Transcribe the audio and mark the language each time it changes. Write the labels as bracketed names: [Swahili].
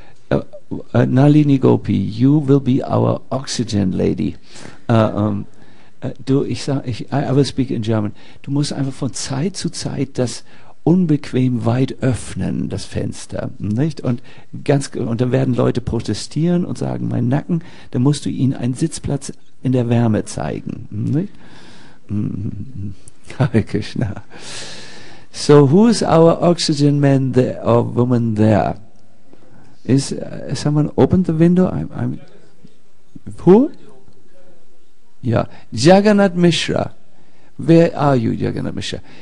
[English] So, Nalini Gopi, you will be our oxygen lady. I will speak in German. [German] Du musst einfach von Zeit zu Zeit das unbequem weit öffnen, das Fenster, nicht? Und dann werden Leute protestieren und sagen, mein Nacken, dann musst du ihnen einen Sitzplatz in der Wärme zeigen, nicht? [Sanskrit] Hare Krishna. [English] So, who is our oxygen man there or woman there? Is someone opened the window? I'm who? Yeah, Jagannath Mishra. Where are you, Jagannath Mishra?